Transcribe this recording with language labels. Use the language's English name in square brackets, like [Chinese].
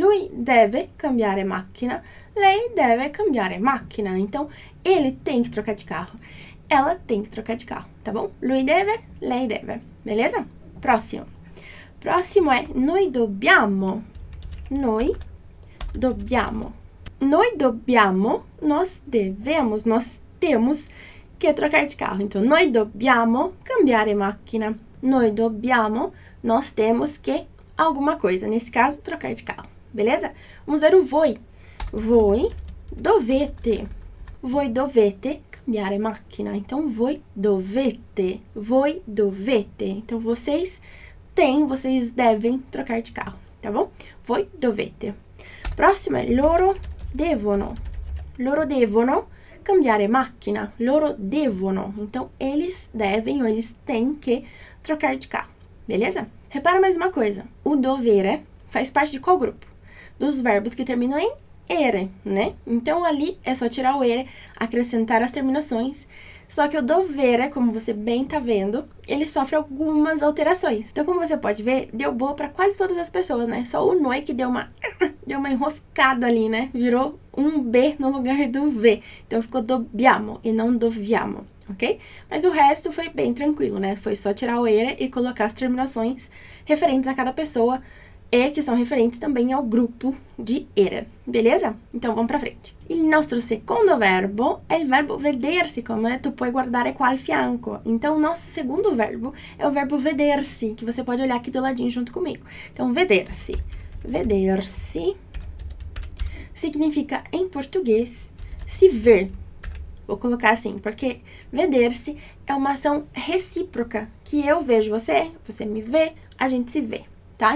[Italian] Lui deve cambiare macchina, [Portuguese] lei deve cambiare macchina, então ele tem que trocar de carro, ela tem que trocar de carro, tá bom? [Italian] Lui deve, lei deve, [Portuguese] beleza? Próximo. Próximo é [Italian] noi dobbiamo. Noi dobbiamo. Noi dobbiamo, [Portuguese] nós devemos, nós temos que trocar de carro. Então, [Italian] noi dobbiamo cambiare macchina. Noi dobbiamo, [Portuguese] nós temos que alguma coisa. Nesse caso, trocar de carro. Beleza? Vamos ver o voi. [Italian] Voi dovete. Voi dovete cambiare macchina. [Portuguese] Então, [Italian] voi dovete. Voi dovete. [Portuguese] Então, vocês devem trocar de carro. Tá bom? [Italian] Voi dovete. [Portuguese] Próximo é [Italian] loro devono. Loro devono cambiare macchina, loro devono. [Portuguese] Então, eles devem ou eles têm que trocar de carro, beleza? Repara mais uma coisa: o dovere faz parte de qual grupo? Dos verbos que terminam em ere, né? Então, ali é só tirar o ere, acrescentar as terminações. Só que o dovere, como você bem tá vendo, ele sofre algumas alterações. Então, como você pode ver, deu boa para quase todas as pessoas, né? Só o noi que deu uma Deu uma enroscada ali, né? Virou um B no lugar do V. Então ficou dobbiamo e não doviamo, ok? Mas o resto foi bem tranquilo, né? Foi só tirar o ere e colocar as terminações referentes a cada pessoa e que são referentes também ao grupo de ere, beleza? Então vamos pra frente. [Italian] Il nostro secondo verbo è il verbo vedersi, come tu puoi guardare qua al fianco. [Portuguese] Então, o nosso segundo verbo é o verbo vedersi, que você pode olhar aqui do ladinho junto comigo. Então, vedersi. Vedersi significa em português se ver. Vou colocar assim, porque vedersi é uma ação recíproca, que eu vejo você, você me vê, a gente se vê, tá?